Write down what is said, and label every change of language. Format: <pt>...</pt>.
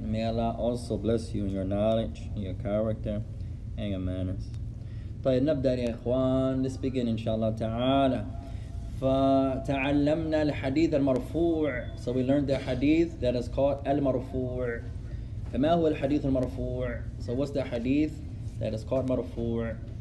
<en>May Allah also bless you in your knowledge, your character, and your manners.</en> <ar>طيب نبدأ يا إخوان.</ar> <en>Let's begin</en> <ar>inshaAllah ta'ala. فتعلمنا الحديث المرفوع.</ar> <en>So we learned the hadith that is called al-marfu'.</en> <ar>فما هو الحديث المرفوع?</ar> <en>So what's the hadith that is called marfu'?</en>